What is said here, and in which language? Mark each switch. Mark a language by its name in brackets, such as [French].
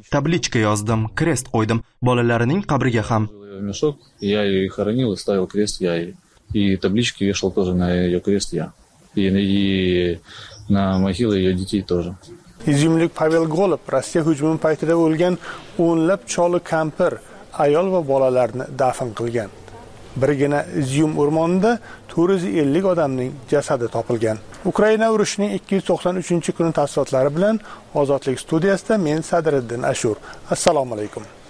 [Uzbek] Tabличка yozdim, krest qo'ydim, bolalarining qabriga ham. [Russian] Я её хоронил и ставил крест я и табличку вешал тоже на её крест я. И на могилу её детей тоже. [Uzbek] Изюмлик Павел Голуб, Россия hujumi paytida o'lgan 10 cholu kampir, ayol va bolalarini dafn qilgan. Birgina Izyum o'rmonida 450 odamning jasadi topilgan. Ukraina urushining 293-kuni tafsilotlari bilan Ozodlik studiyasida men Sadriddin Ashur. Assalomu alaykum.